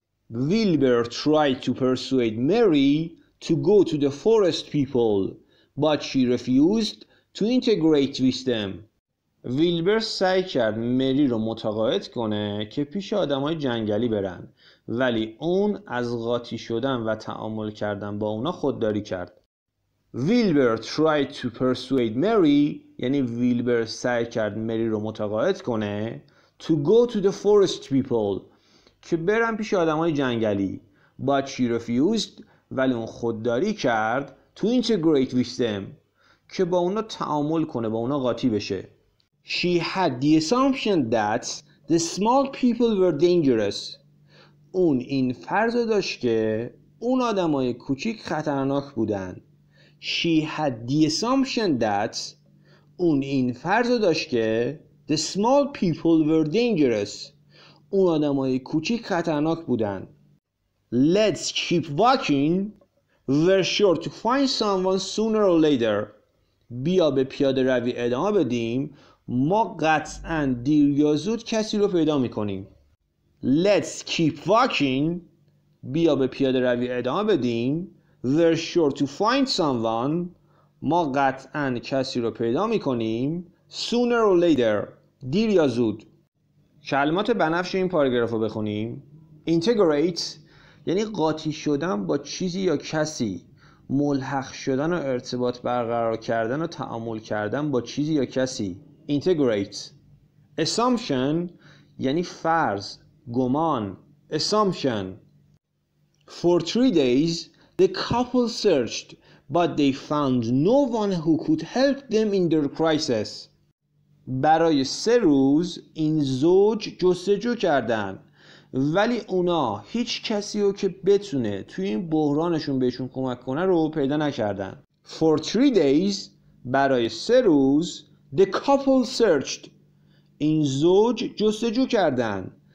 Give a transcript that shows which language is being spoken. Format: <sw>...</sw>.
<en>Wilbur tried to persuade Mary to go to the forest people, but she refused to integrate with them.</en> <fa>Wilbur سعی کرد مری رو متقاعد کنه که پیش آدمای جنگلی برن، ولی اون از قاطی شدن و تعامل کردن با اونا خودداری کرد.</fa> <en>Wilbur tried to persuade Mary</en> <fa>یعنی Wilbur سعی کرد مری رو متقاعد کنه</fa> <en>to go to the forest people</en> <fa>که برن پیش آدمای جنگلی،</fa> <en>but she refused</en> <fa>ولی اون خودداری کرد</fa> <en>to integrate with them</en> <fa>که با اونا تعامل کنه، با اونا قاطی بشه.</fa> <en>She had the assumption that the small people were dangerous.</en> <fa>اون این فرض داشت که اون آدمای کوچیک خطرناک بودن.</fa> <en>She had the assumption that</en> <fa>اون این فرض داشت که</fa> <en>the small people were dangerous.</en> <fa>اون آدمای کوچیک خطرناک بودن.</fa> <en>Let's keep walking. We're sure to find someone sooner or later.</en> <fa>بیا به پیاده روی ادامه بدیم. ما قطعاً دیر یا زود کسی رو پیدا میکنیم.</fa> <en>Let's keep walking.</en> <fa>بیا به پیاده روی ادامه بدیم.</fa> <en>We're sure to find someone.</en> <fa>ما قطعاً کسی رو پیدا میکنیم.</fa> <en>Sooner or later.</en> <fa>دیر یا زود. کلمات بنفش این پاراگراف رو بخونیم. Integrate یعنی قاطی شدن با چیزی یا کسی، ملحق شدن و ارتباط برقرار کردن و تعامل کردن با چیزی یا کسی. Integrate. Assumption یعنی فرض، گمان. Assumption.</fa> <en>For 3 days the couple searched but they found no one who could help them in their crisis.</en> <fa>برای 3 روز این زوج جستجو کردن، ولی اونا هیچ کسی رو که بتونه توی این بحرانشون بهشون کمک کنه رو پیدا نکردن.</fa> <en>For 3 days</en> <fa>برای 3 روز</fa> <en>the couple searched</en> <fa>این زوج جستجو کردن.</fa>